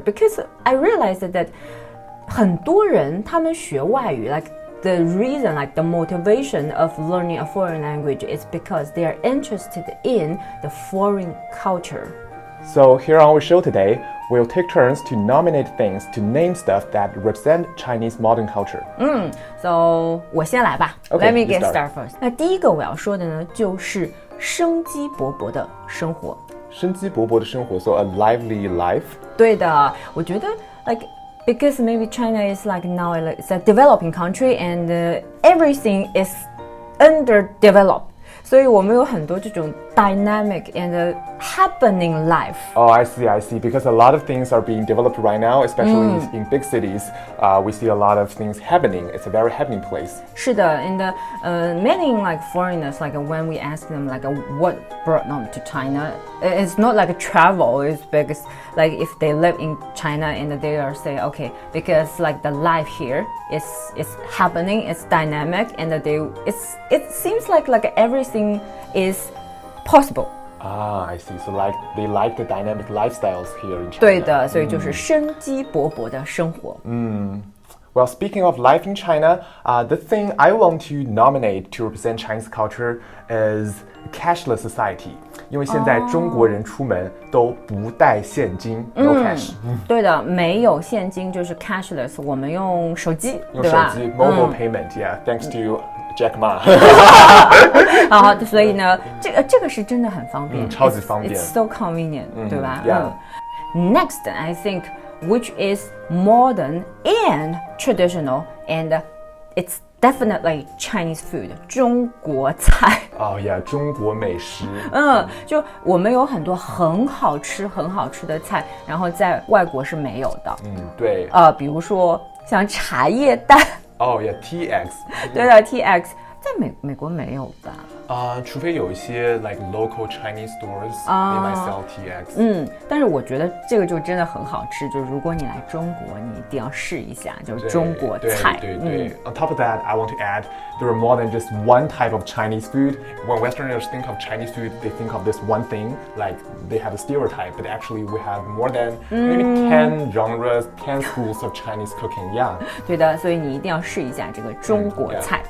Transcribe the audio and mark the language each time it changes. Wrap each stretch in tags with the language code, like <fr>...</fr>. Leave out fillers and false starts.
<en>Because I realized that</en> <zh>很多人他们学外语</zh> <en>like the reason, like the motivation of learning a foreign language is because they are interested in the foreign culture. So here on our show today, we'll take turns to nominate things, to name stuff that represent Chinese modern culture.</en> <zh>So, 我先来吧。</zh> <en>Okay, Let me get started first.</en> <zh>那第一个我要说的呢，就是生机勃勃的生活。生机勃勃的生活 ，</zh> <en>so a lively life.</en> <zh>对的，我觉得</zh> <en>like because maybe China is like now it's a developing country and everything is underdeveloped.</en> <zh>所以我们有很多这种</zh> <en>dynamic and happening life. Oh, I see, I see. Because a lot of things are being developed right now, especially in big cities. We see a lot of things happening. It's a very happening place.</en> <zh>是的</zh> <en>and many like foreigners, like when we ask them like what brought them to China, it's not like travel. It's because like if they live in China and they are say, okay, because like the life here is happening, it's dynamic and it seems like everything is possible. Ah, I see. So like, they like the dynamic lifestyles here in China.</en> <zh>对的，所以就是生机勃勃的生活。</zh> <en>Well, speaking of life in China, the thing I want to nominate to represent Chinese culture is cashless society.</en> <zh>因为现在中国人出门都不带现金、</zh> <en>no cash.</en> <zh>对的，没有现金就是 cashless. 我们用手机，用手机</zh> <en>mobile payment. Yeah, thanks to Jack Ma.</en> <zh>好，所以呢，这个是真的很方便，超级方便。</zh> <en>It's so convenient,</en> <zh>对吧？</zh> <en>Yeah. Next, I think. Which is modern and traditional, and it's definitely Chinese food,</en> <zh>中国菜。哦呀，中国美食。就我们有很多很好吃、很好吃的菜，然后在外国是没有的。对。比如说像茶叶蛋。哦呀 ，TX。对的 ，TX 在美国没有吧？除非有一些</zh> <en>like local Chinese stores, they might sell TX.</en> <zh>但是我觉得这个就真的很好吃，就如果你来中国，你一定要试一下，就是中国菜。对。</zh> <en>On top of that, I want to add, there are more than just one type of Chinese food. When Westerners think of Chinese food, they think of this one thing, like they have a stereotype, but actually we have more than maybe 10 genres, 10 schools of Chinese cooking, yeah.</en> <zh>对的，所以你一定要试一下这个中国菜。</zh>